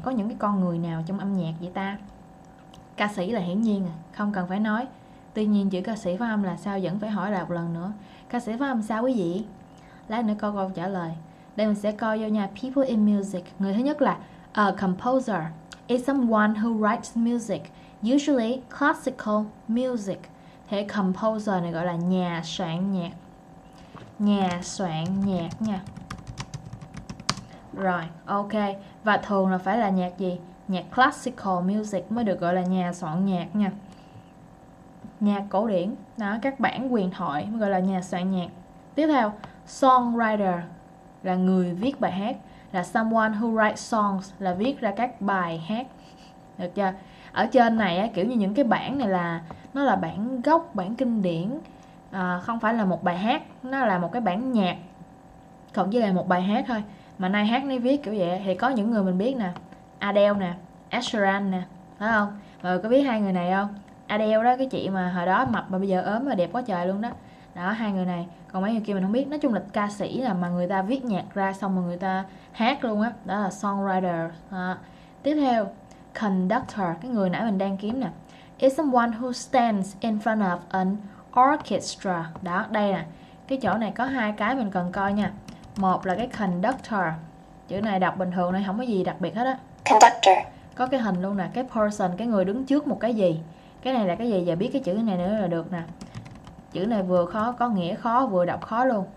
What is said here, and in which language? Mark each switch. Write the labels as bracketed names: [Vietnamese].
[Vietnamese] Có những cái con người nào trong âm nhạc vậy ta? Ca sĩ là hiển nhiên, không cần phải nói. Tuy nhiên chữ ca sĩ phát âm là sao vẫn phải hỏi lại một lần nữa. Ca sĩ phát âm sao quý vị? Lát nữa coi câu trả lời. Đây mình sẽ coi vô nha. [English] People in music. [Vietnamese] Người thứ nhất là a composer. [English] is someone who writes music, usually classical music. [Vietnamese] Thế composer này gọi là nhà soạn nhạc. Nhà soạn nhạc nha. Rồi, ok. Và thường là phải là nhạc gì? Nhạc classical music mới được gọi là nhà soạn nhạc nha. Nhạc cổ điển, đó, các bản huyền thoại mới gọi là nhà soạn nhạc. Tiếp theo, songwriter là người viết bài hát, là [English] someone who writes songs, [Vietnamese] là viết ra các bài hát. Được chưa? Ở trên này kiểu như những cái bản này là nó là bản gốc, bản kinh điển, à, không phải là một bài hát, nó là một cái bản nhạc cộng với lại một bài hát thôi. Mà nay hát nay viết kiểu vậy thì có những người mình biết nè, Adele nè, Ed Sheeran nè, phải không? Rồi có biết hai người này không? Adele đó, cái chị mà hồi đó mập mà bây giờ ốm mà đẹp quá trời luôn đó. Đó, hai người này. Còn mấy người kia mình không biết. Nói chung là ca sĩ là mà người ta viết nhạc ra xong rồi người ta hát luôn á. Đó là songwriter. Đó. Tiếp theo, conductor, cái người nãy mình đang kiếm nè. [English] It's someone who stands in front of an orchestra. [Vietnamese] Đó, đây nè. Cái chỗ này có hai cái mình cần coi nha. Một là cái conductor. Chữ này đọc bình thường thôi, không có gì đặc biệt hết á. [English] Conductor. [Vietnamese] Có cái hình luôn nè, cái person, cái người đứng trước một cái gì. Cái này là cái gì, giờ biết cái chữ này nữa là được nè. Chữ này vừa khó, có nghĩa khó, vừa đọc khó luôn.